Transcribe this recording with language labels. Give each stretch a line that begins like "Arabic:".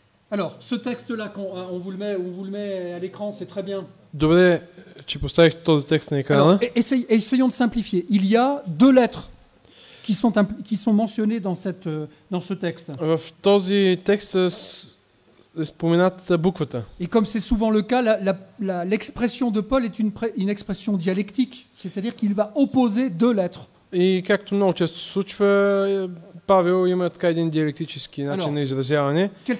French: Alors, ce texte-là, on vous le met à l'écran, c'est très bien.
Bulgarian: Добре, че поставих този текст на екрана.
French: Essayons de simplifier. Il y a deux lettres qui sont mentionnées dans ce texte.
Bulgarian: В този текст е спомената буквата.
French: Et comme c'est souvent le cas, l'expression de Paul est une expression dialectique, c'est-à-dire qu'il va opposer deux lettres.
Bulgarian: И както много често се случва, Павел има така един диалектически начин на изразяване.